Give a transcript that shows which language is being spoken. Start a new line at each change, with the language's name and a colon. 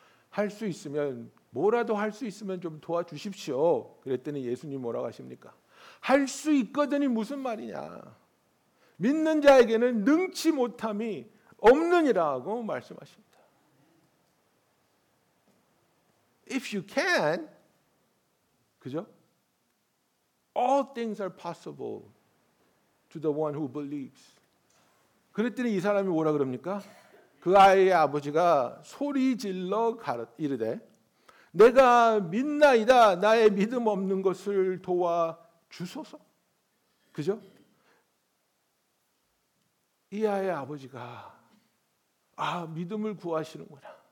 Korean: 할 수 있으면 뭐라도 할 수 있으면 좀 도와주십시오. 그랬더니 예수님 뭐라고 하십니까? 할 수 있거든이 무슨 말이냐. 믿는 자에게는 능치 못함이 없느니라고 말씀하십니다.
English: If you can,
Korean: 그죠?
English: All things are possible to the one who believes.
Korean: 그랬더니 이 사람이 뭐라 그럽니까? 그 아이의 아버지가 소리 질러 이르되 내가 믿나이다. 나의 믿음 없는 것을 도와주소서. 그죠? 이 아이의 아버지가 아 믿음을 구하시는구나.